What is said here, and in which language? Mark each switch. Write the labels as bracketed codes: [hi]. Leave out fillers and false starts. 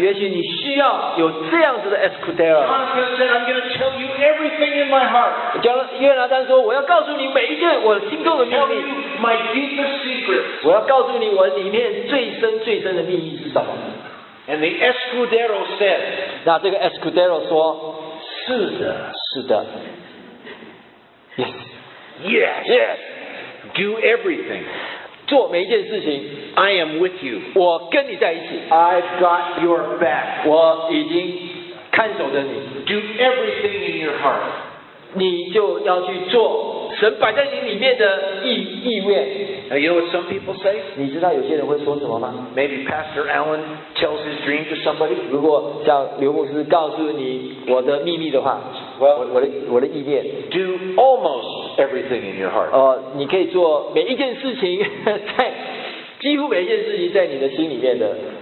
[zh] 也许你需要有这样子的 Escudero. [en] John said, "I'm going to tell you everything in my heart." [zh] 约拿单说，我要告诉你每一件我心中的秘密。 [en] My deepest secret. [zh] 我要告诉你我里面最深最深的秘密是什么。 [en] And the escudero said, [zh] 那这个 escudero 说，是的，是的。 [en] Yes. Yes. Do everything. [zh] 做每一件事情。 [en] I am with you. [zh] 我跟你在一起。 [en] I've got your back. [zh] 我已经看守着你。 [en] Do everything in your heart. [zh] 你就要去做神摆在你里面的意愿。 [en] Now, you know what some people say? [zh] 你知道有些人会说什么吗？ [en] Maybe Pastor Allen tells his dream to somebody. [zh] 如果像刘牧师告诉你我的秘密的话， [en] well, [zh] 我的意愿。 [en] Do almost everything in your heart. [zh] 你可以做每一件事情在几乎每一件事情在你的心里面的